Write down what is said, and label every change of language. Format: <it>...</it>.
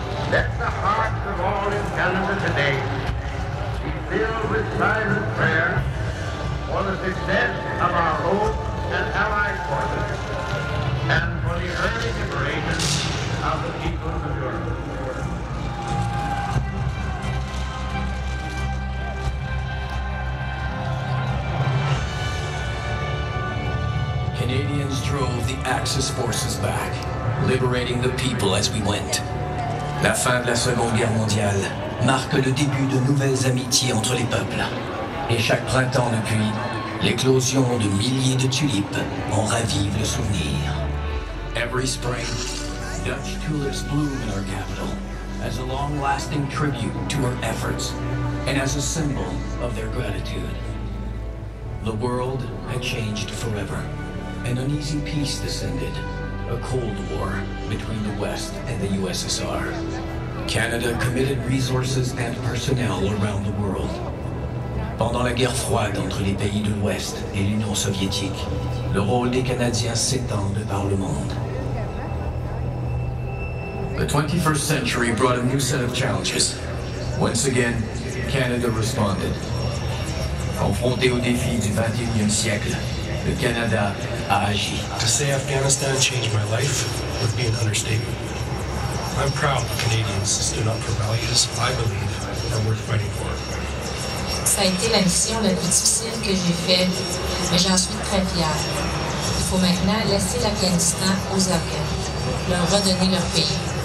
<en>Let the hearts of all in Canada today be filled with silent prayer for the success of our home and allied forces and for the early liberation of the peoples of Europe. Canadians drove the Axis forces back, liberating the people as we went.</en> <fr>La fin de la Seconde Guerre mondiale marque le début de nouvelles amitiés entre les peuples. Et chaque printemps depuis, l'éclosion de milliers de tulipes en ravive le souvenir.</fr> <en>Every spring, Dutch tulips bloom in our capital as a long-lasting tribute to our efforts and as a symbol of their gratitude. The world had changed forever. An uneasy peace descended, a cold war between the West and the USSR. Canada committed resources and personnel around the world.</en> <fr>Pendant la guerre froide entre les pays de l'Ouest et l'Union soviétique, le rôle des Canadiens s'étend de par le monde.</fr> <en>The 21st century brought a new set of challenges. Once again, Canada responded.</en> <fr>Confronté aux défis du 21e siècle, le Canada a agi.</fr> <en>To say Afghanistan changed my life would be an understatement. I'm proud that Canadians stood up for values I believe are worth fighting for.</en> <fr>Ça a été la mission la plus difficile que j'ai faite, mais j'en suis très fière. Il faut maintenant laisser l'Afghanistan aux Afghans, leur redonner leur pays.</fr>